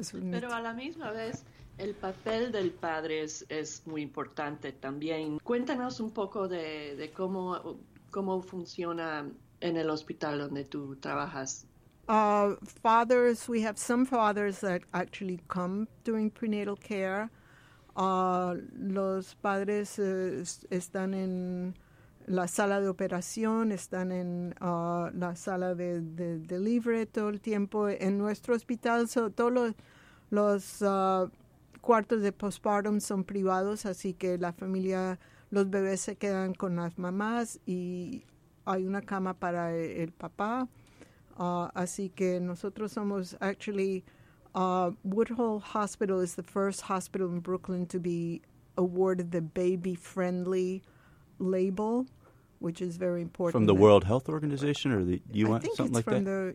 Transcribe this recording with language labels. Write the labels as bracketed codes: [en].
[es] Pero a la misma vez, el papel del padre es muy importante también. Cuéntanos un poco de cómo funciona en el hospital donde tú trabajas. [en] Fathers, we have some fathers that actually come during prenatal care. [es] Los padres están en la sala de operación, están en la sala de delivery todo el tiempo. En nuestro hospital, todos los cuartos de postpartum son privados, así que la familia, los bebés se quedan con las mamás y hay una cama para el papá. Así que nosotros somos, [en] actually, Woodhull Hospital is the first hospital in Brooklyn to be awarded the baby-friendly label, which is very important. From the World Health Organization or the UN, something like that?